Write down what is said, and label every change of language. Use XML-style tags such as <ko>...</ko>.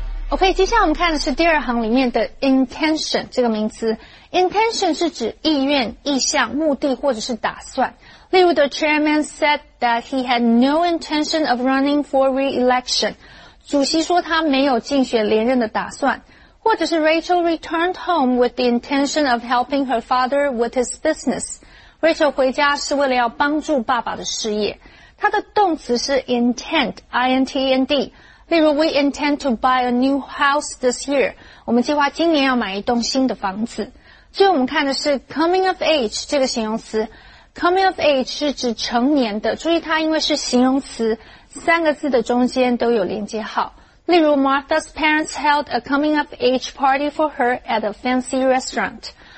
<zh>OK, 接下来我们看的是第二行里面的 intention 这个名词。 intention 是指意愿、意向、目的或者是打算。例如</zh> <en>,the chairman said that he had no intention of running for re-election.</en> <zh>主席说他没有竞选连任的打算。或者是</zh> <en>Rachel returned home with the intention of helping her father with his business.</en> <zh>Rachel 回家是为了要帮助爸爸的事业。他的动词是 intent, I-N-T-E-N-D。例如</zh> <en>,we intend to buy a new house this year.</en> <zh>我们计划今年要买一栋新的房子。最后我们看的是 coming of age 这个形容词。coming of age 是指成年的。注意它因为是形容词三个字的中间都有连接号。例如</zh> <en>,Martha's parents held a coming of age party for her at a fancy restaurant.</en>